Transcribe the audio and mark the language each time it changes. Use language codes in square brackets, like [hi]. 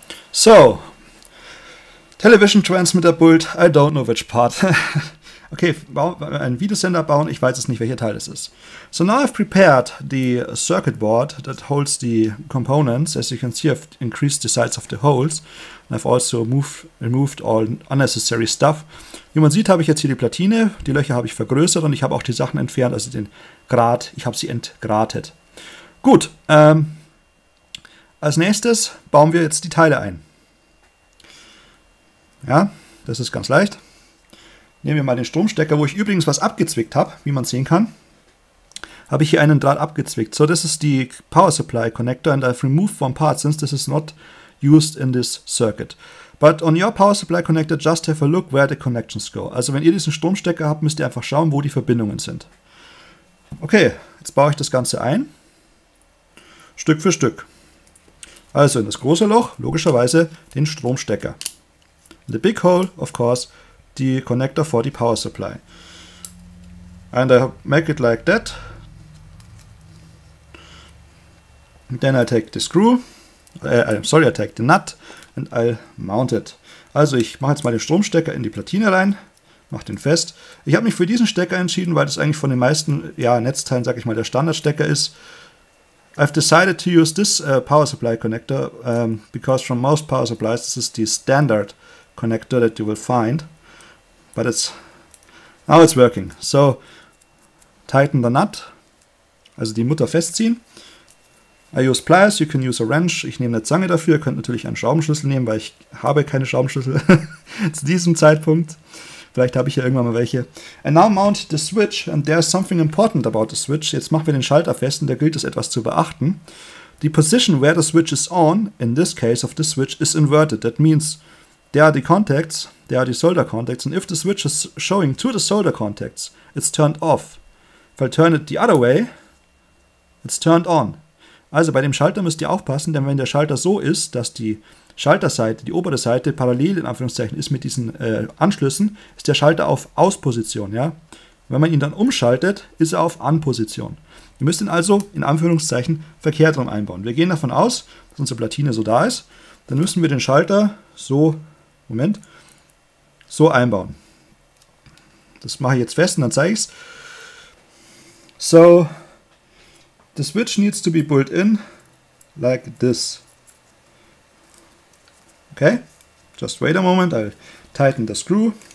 [en] So, Television Transmitter Build, I don't know which part. [de] Okay, ein Videosender bauen, ich weiß es nicht, welcher Teil es ist. [en] So now I've prepared the circuit board that holds the components. As you can see, I've increased the size of the holes. And I've also removed all unnecessary stuff. [de] Wie man sieht, habe ich jetzt hier die Platine, die Löcher habe ich vergrößert und ich habe auch die Sachen entfernt, also den Grat, ich habe sie entgratet. Gut, als nächstes bauen wir jetzt die Teile ein. Ja, das ist ganz leicht. Nehmen wir mal den Stromstecker, wo ich übrigens was abgezwickt habe, wie man sehen kann. Habe ich hier einen Draht abgezwickt. So, das ist die [en] Power Supply Connector and I've removed one part since this is not used in this circuit. But on your Power Supply Connector, just have a look where the connections go. [de] Also, wenn ihr diesen Stromstecker habt, müsst ihr einfach schauen, wo die Verbindungen sind. Okay, jetzt baue ich das Ganze ein. Stück für Stück. Also in das große Loch, logischerweise den Stromstecker. [en] In the big hole, of course, the connector for the power supply. And I make it like that. And then I take the screw. I'm sorry, I take the nut and I mount it. [de] Also ich mache jetzt mal den Stromstecker in die Platine rein, mache den fest. Ich habe mich für diesen Stecker entschieden, weil das eigentlich von den meisten, ja, Netzteilen, sag ich mal, der Standardstecker ist. [en] I've decided to use this power supply connector because from most power supplies this is the standard connector that you will find. But it's now it's working. So tighten the nut, [de] also die Mutter festziehen. [en] I use pliers, you can use a wrench. [de] Ich nehme eine Zange dafür. Ihr könnt natürlich einen Schraubenschlüssel nehmen, weil ich habe keine Schraubenschlüssel zu diesem Zeitpunkt. Vielleicht habe ich ja irgendwann mal welche. [en] And now mount the switch. And there is something important about the switch. [de] Jetzt machen wir den Schalter fest und da gilt es etwas zu beachten. [en] The position where the switch is on, in this case of the switch, is inverted. That means there are the contacts, there are the solder contacts. And if the switch is showing to the solder contacts, it's turned off. If I turn it the other way, it's turned on. [de] Also bei dem Schalter müsst ihr aufpassen, denn wenn der Schalter so ist, dass die Schalterseite, die obere Seite, parallel in Anführungszeichen ist mit diesen Anschlüssen, ist der Schalter auf Ausposition, ja? Wenn man ihn dann umschaltet, ist er auf Anposition. Ihr müsst ihn also in Anführungszeichen verkehrt rum einbauen. Wir gehen davon aus, dass unsere Platine so da ist. Dann müssen wir den Schalter so, Moment, so einbauen. Das mache ich jetzt fest und dann zeige ich es. [en] So, the switch needs to be built in like this. Okay, just wait a moment, I'll tighten the screw.